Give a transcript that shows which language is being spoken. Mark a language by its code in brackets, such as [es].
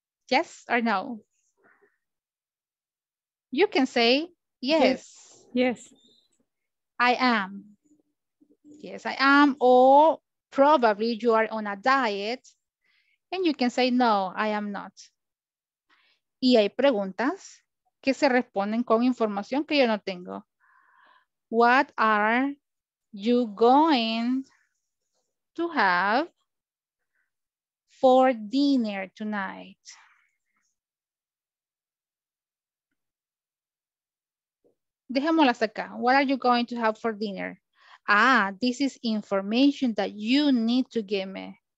[en] Yes or no? You can say yes. Yes. I am. Yes, I am. Or probably you are on a diet and you can say no, I am not. [es] Y hay preguntas que se responden con información que yo no tengo. [en] What are you going to have for dinner tonight? Dejémosla acá. What are you going to have for dinner? Ah, this is information that you need to give me.